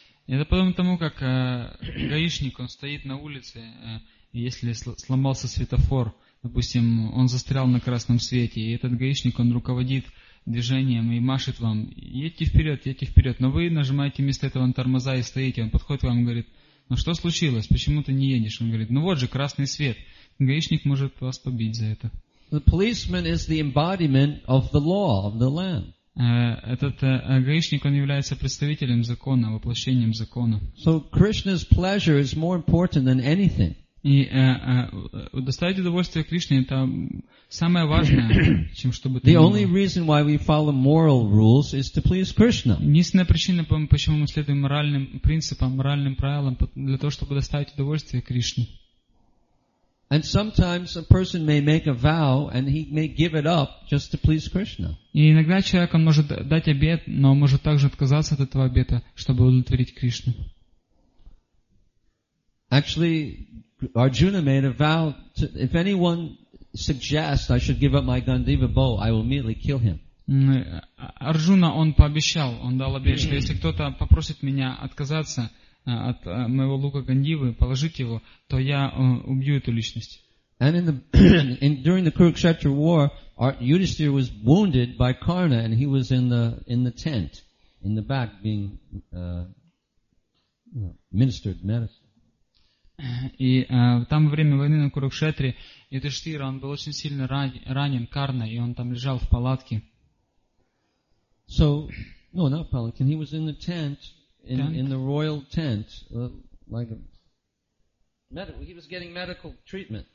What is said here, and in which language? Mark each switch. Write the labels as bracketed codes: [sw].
[ru] Это подобно тому, как гаишник, он стоит на улице, если сломался светофор, допустим, он застрял на красном свете, и этот гаишник, он руководит движением и машет вам, едьте вперед, едьте вперед. Но вы нажимаете вместо этого на тормоза и стоите. Он подходит к вам и говорит, ну что случилось, почему ты не едешь? Он говорит, ну вот же красный свет. Гаишник может вас побить за это. [en] The policeman is the embodiment of the law of the land. [ru] Этот гаишник, он является представителем закона, воплощением закона. [en] So Krishna's pleasure is more important than anything. [ru] И доставить удовольствие Кришне это самое важное, чем чтобы. [en] The only reason why we follow moral rules is to please Krishna. [ru] Единственная причина, почему мы следуем моральным принципам, моральным правилам, для того, чтобы доставить удовольствие Кришне. [en] And sometimes a person may make a vow and he may give it up just to please Krishna. [ru] И иногда человек он может дать обет, но может также отказаться от этого обета, чтобы удовлетворить Кришну. [en] Actually, Arjuna made a vow to, if anyone suggests I should give up my Gandiva bow, I will immediately kill him. [ru] Арджуна он пообещал, он дал обет, что если кто-то попросит меня отказаться от моего лука Гандивы, положить его, то я убью эту личность. [en] And during the Kurukshetra war, Yudhisthira was wounded by Karna and he was in the tent, in the back, being ministered medicine. [ru] И там во время войны на Курукшетре Юдхиштхира, он был очень сильно ранен Карна, и он там лежал в палатке. [en] So, no, not palanquin, he was in the tent. In the royal tent, like he was getting medical treatment.